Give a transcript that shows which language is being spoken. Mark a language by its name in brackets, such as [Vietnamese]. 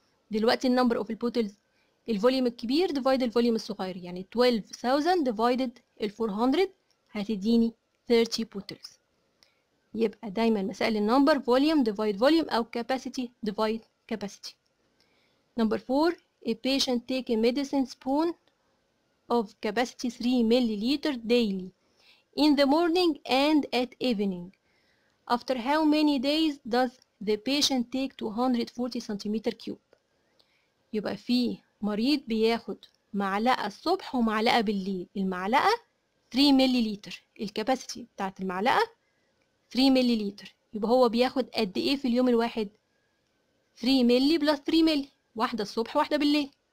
[Arabic] دلوقتي النمبر اوف البوتلز الفوليوم الكبير ديفايد الفوليوم الصغير يعني 12000 ديفايدد ال 400 هتديني 30 بوتلز. يبقى دايما مسائل النمبر فوليوم ديفايد فوليوم او كاباسيتي ديفايد كاباسيتي. [English] Number 4, a patient take a medicine spoon of capacity 3 milliliters daily in the morning and at evening. After how many days does the patient take 240 cm cube? [Arabic] يبقى في مريض بياخد معلقة الصبح ومعلقة بالليل. المعلقة 3 ملليلتر. الكاباسيتي بتاعت المعلقة 3 ملليلتر. يبقى هو بياخد قد ايه في اليوم الواحد؟ 3 ملي بلس 3 ملي. واحدة الصبح واحدة بالليل.